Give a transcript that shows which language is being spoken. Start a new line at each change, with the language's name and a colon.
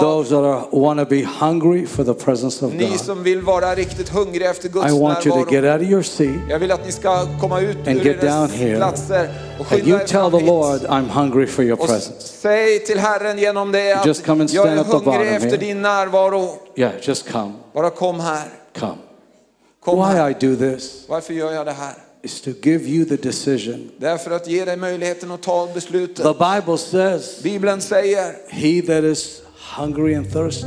English: Those that want to be hungry for the presence of God.
Swedish: Ni som vill vara riktigt hungriga efter Guds närvaro.
English: I want you to get out of your seat.
Swedish: Jag vill att ni ska komma ut ur era platser.
English: And get down here. And you tell the Lord, I'm hungry for your presence.
Swedish: Säg till Herren genom det att
English: just come and stand
Swedish: jag är hungrig
English: at the bottom
Swedish: efter
English: here.
Swedish: Din närvaro.
English: Yeah, just come.
Swedish: Bara kom här.
English: Come.
Swedish: Kom
English: why
Swedish: här.
English: I do this?
Swedish: Varför gör jag det här?
English: Is to give you the decision.
Swedish: Därför att ge dig möjligheten att ta beslutet.
English: The Bible says.
Swedish: Bibeln säger.
English: He that is hungry and thirsty.